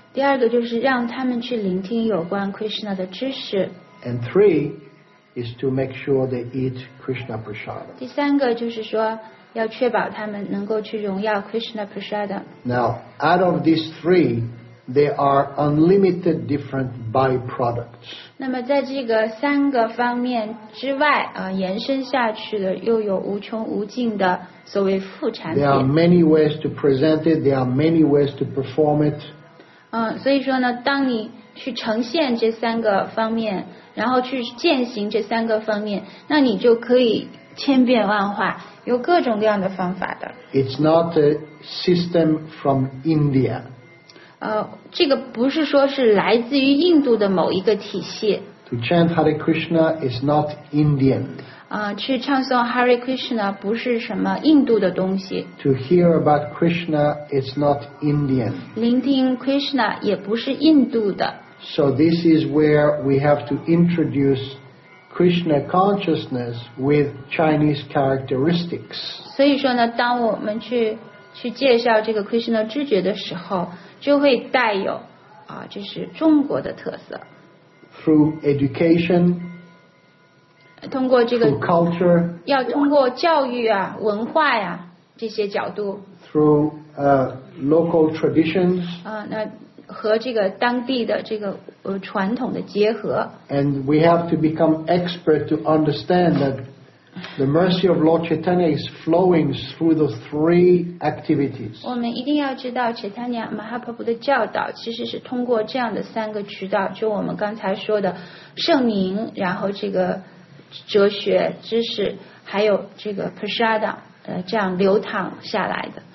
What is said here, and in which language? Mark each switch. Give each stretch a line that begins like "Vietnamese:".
Chinese: 第二个就是让他们去聆听有关 Krishna 的知识。
English: And three is to make sure they eat Krishna prasada.
Chinese: 第三个就是说要确保他们能够去荣耀 Krishna prasada.
English: Now, out of these three,there are unlimited different byproducts.
Chinese: 那么在这个三个方面之外延伸下去的又有无穷无尽的所谓副产品。
English: There are many ways to present it. There are many ways to perform it.
Chinese: 所以说呢，当你去呈现这三个方面，然后去践行这三个方面，那你就可以千变万化，有各种各样的方法的。
English: It's not a system from India.
Chinese: 这个不是说是来自于印度的某一个体系。
English: To chant Hare Krishna is not Indian.
Chinese: 去唱诵 Hare Krishna 不是什么印度的东西。
English: To hear about Krishna is not Indian.
Chinese: 聆听 Krishna 也不是印度的。
English: So this is where we have to introduce Krishna consciousness with Chinese characteristics.
Chinese: 所以说呢，当我们去介绍这个 Krishna 知觉的时候，就会带有就是中国的特色。
English: Through education,
Chinese: 通过这个
English: through culture,
Chinese: 要通过教育啊、文化呀、这些角度。
English: Through local traditions,
Chinese: 那和这个当地的这个传统的结合。
English: And we have to become expert to understand that the mercy of Lord Chaitanya is flowing through the three activities.
Chinese: 我们一定要知道 Chaitanya Mahaprabhu 的教导其实是通过这样的三个渠道，就我们刚才说的圣名，然后这个哲学知识，还有这个 prasada， 这样流淌下来的。